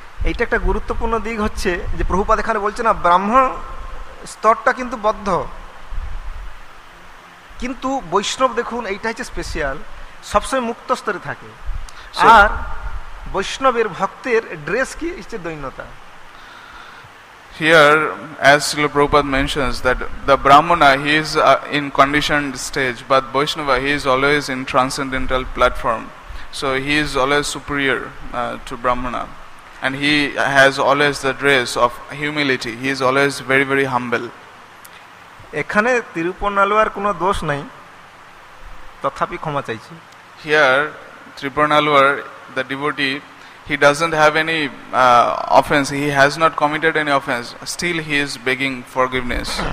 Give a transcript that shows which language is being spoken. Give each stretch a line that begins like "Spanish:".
Bangla: এটা একটা গুরুত্বপূর্ণ দিক হচ্ছে যে প্রভুপাদ এখানে বলছে না, ব্রাহ্মণ স্তরটা কিন্তু বদ্ধ, কিন্তু বৈষ্ণব দেখুন এইটা হচ্ছে স্পেশাল, সবসময় মুক্ত স্তরে থাকে, আর বৈষ্ণবের ভক্তের ড্রেস কি হচ্ছে দৈন্যতা।
English: Here, as Srila Prabhupada mentions, that the Brahmana, he is in conditioned stage, but Vaishnava, he is always in transcendental platform. So he is always superior to Brahmana. And he has always the dress of humility. He is always very, very humble.
Bangla: এখানে ত্রিপুর নালুয়ার কোনো দোষ নাই, তথাপি ক্ষমা চাইছি।
English: Here, ত্রিপুর নালুয়ার, the devotee, he doesn't have any offense. He has not committed any offense. Still, he is begging forgiveness.